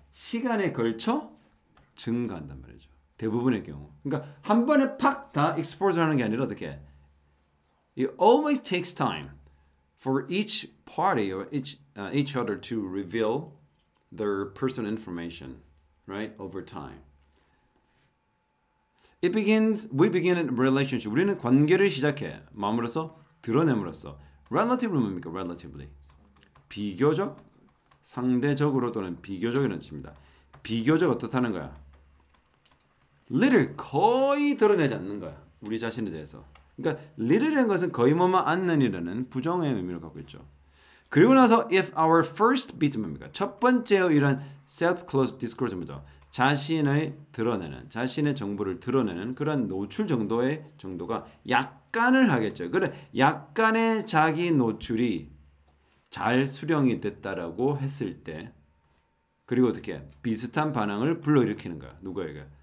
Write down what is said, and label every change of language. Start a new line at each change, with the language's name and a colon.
Korean: 시간에 걸쳐 증가한단 말이죠. 대부분의 경우. 그러니까 한 번에 팍다
English: expose
Korean: 하는 게 아니라 어떻게?
English: It always takes time for each party or each other to reveal their personal information, right? Over time. It begins, we begin a relationship.
Korean: 우리는 관계를 시작해. 마음으로써 드러냄으로써. Relative 뭡니까?
English: Relatively.
Korean: 비교적, 상대적으로 또는 비교적이라는 뜻입니다. 비교적 어떻다는 거야? Little 거의 드러내지 않는 거야. 우리 자신에 대해서. 그러니까 little이라는 것은 거의 뭐만 않는이라는 부정의 의미를 갖고 있죠. 그리고 나서
English: if our first bit
Korean: 뭡니까? 첫 번째 이런 self-closed disclosure입니다. 자신의 드러내는, 자신의 정보를 드러내는 그런 노출 정도의 정도가 약간을 하겠죠. 그래, 약간의 자기 노출이 잘 수령이 됐다라고 했을 때 그리고 어떻게 비슷한 반응을 불러일으키는 거야. 누구에게?